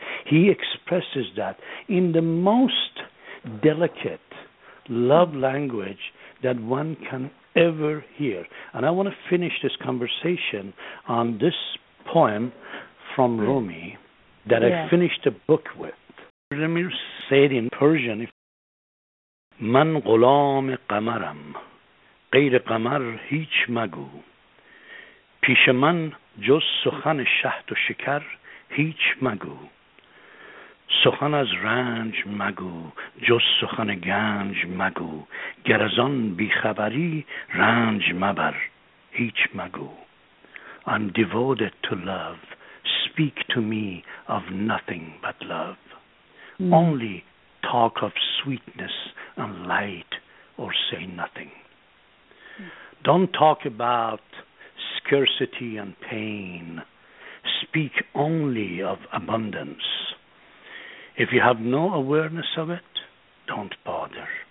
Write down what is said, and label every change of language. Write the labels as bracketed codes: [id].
[en] He expresses that in the most delicate love language that one can ever hear. And I want to finish this conversation on this poem from Rumi that I finished a book with. Let me say it in Persian. [fa] من غلام قمرم غیر قمر هیچ مگو پیش من جز سخن شهد و شکر هیچ مگو سخن از رنج مگو جز سخن گنج مگو گر از آن بیخبری رنج مبر هیچ مگو [en] I'm devoted to love. Speak to me of nothing but love. Only talk of sweetness and light or say nothing. Don't talk about scarcity and pain. Speak only of abundance. If you have no awareness of it, don't bother.